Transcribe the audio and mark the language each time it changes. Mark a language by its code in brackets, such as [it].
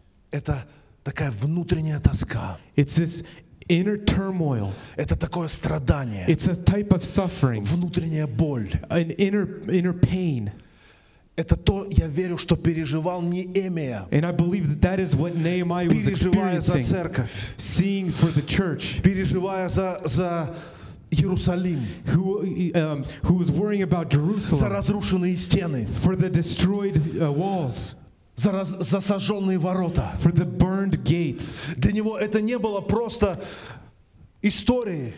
[ru] Это такая внутренняя тоска. [en] It's this inner turmoil. [ru] Это такое страдание. [en] It's a type of suffering. [ru] Внутренняя боль. [en] An inner pain. [ru] Это то, я верю, что переживал Неемия. [en] And I believe that that is what Nehemiah was experiencing. [ru] За церковь, [en] seeing for the church. [ru] Переживая за Иерусалим. [en] Who was worrying about Jerusalem. [ru] За разрушенные стены. [en] For the destroyed walls. [ru] За сожженные ворота. [en] For the burned gates. [ru] Для него это не было просто истории.